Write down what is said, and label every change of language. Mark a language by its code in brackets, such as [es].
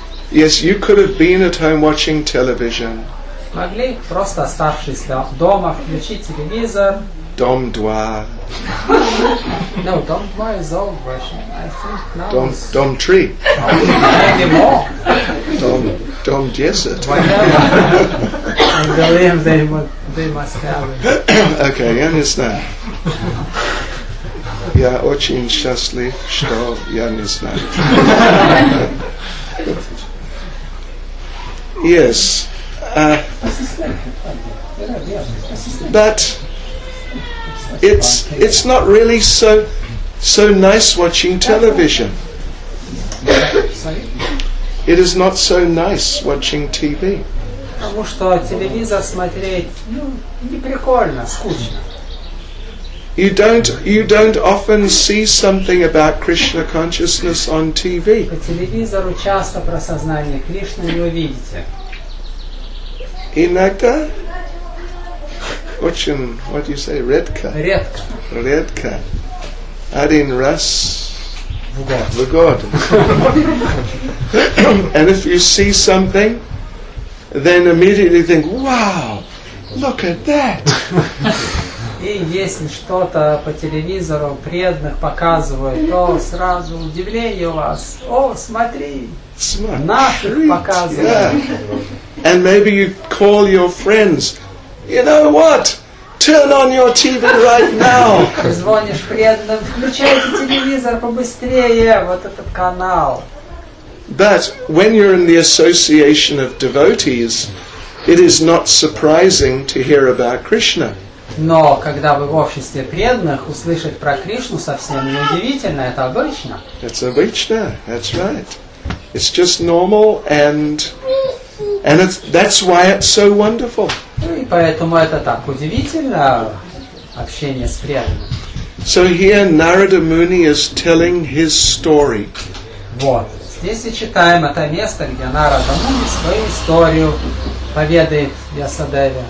[en] Yes, you could have been at home watching television. [ru] Могли просто оставшись дома включить телевизор. Дом два. [en] No, Dom 2 is old version. I think now Dom, Dom 3. Anymore. Dom Desert. Whatever. I believe they must have it. [ru] Okay, я не знаю. Я очень счастлив, что я не знаю. [en] Yes. But... It's not really so nice watching television. It is not so nice watching TV. [ru] Потому что телевизор смотреть не прикольно, скучно. [en] You don't often see something about Krishna consciousness on TV. [ru] По телевизору часто про сознание Кришны не увидите. Иногда. Очень, [en] what do you say, [ru] редко? Редко. Редко. Один раз в год. [en] And if you see something, then immediately think, wow, look at that. [ru] И если что-то по телевизору преданных показывают, то сразу удивление у вас. О, смотри, наших показывают. [en] And maybe you call your friends, You know what? Turn on your TV right now. [ru] Звонишь преданным, включайте телевизор побыстрее, вот этот канал. [en] But when you're in the association of devotees, it is not surprising to hear about Krishna. [ru] Но когда вы в обществе преданных, услышать про Кришну совсем не удивительно, это обычно. [en] It's [ru] обычно, [en] that's right. It's just normal and it's, that's why it's so wonderful. [ru] И поэтому это так удивительно, общение с преданным. [en] So here Narada Muni is telling his story. [ru] Вот. Здесь мы читаем это место, где Нарада Муни свою историю поведает Вьясадеве.